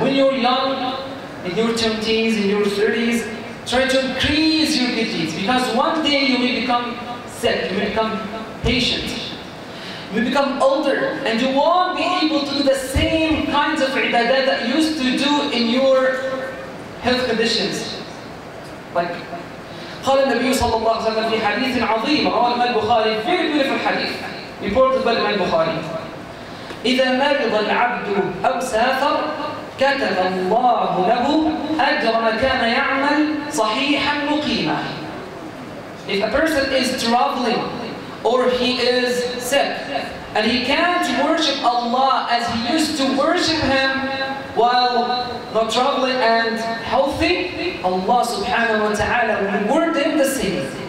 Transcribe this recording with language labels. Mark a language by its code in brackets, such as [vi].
[en] When you're young, in your teens, in your 30s, try to increase your good deeds. Because one day you may become sick, you may become patient. You may become older, and you won't be able to do the same kinds of ibadah that you used to do in your health conditions. Like, [ar] قال النبي صلى الله عليه وسلم في حديث عظيم رواه الإمام البخاري [en] very beautiful hadith reported by [ar] الإمام البخاري إذا مرض العبد أو سافر كتب الله له أجر ما كان يعمل صحيحا مقيما. [en] If a person is traveling or he is sick and he can't worship Allah as he used to worship him while not traveling and healthy, Allah subhanahu wa ta'ala will reward him the same.